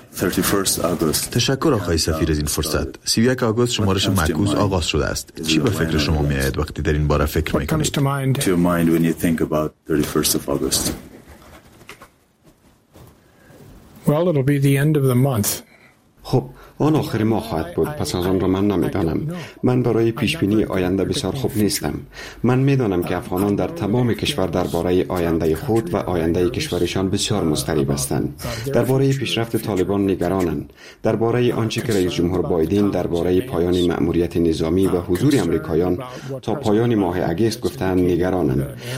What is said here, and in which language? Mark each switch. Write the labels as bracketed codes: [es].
[fa] تشکر آقای سفیر از این فرصت. 31 آگوست شمارش معکوس آغاز شده است. چی به فکر شما میاد وقتی در این باره فکر میکنید؟ [en] To your mind when you think about 31st of August. Well, it'll be the end of the month. [fa] خب، آن آخر ماه خواهد بود، پس از آن را من نمیدانم. من برای پیشبینی آینده بسیار خوب نیستم. من میدانم که افغانان در تمام کشور درباره آینده خود و آینده کشورشان بسیار مضطرب هستند. درباره پیشرفت طالبان نگرانند. درباره آنچه که رئیس جمهور بایدن درباره پایان مأموریت نظامی و حضور آمریکایان تا پایان ماه آگوست گفتند نگرانند.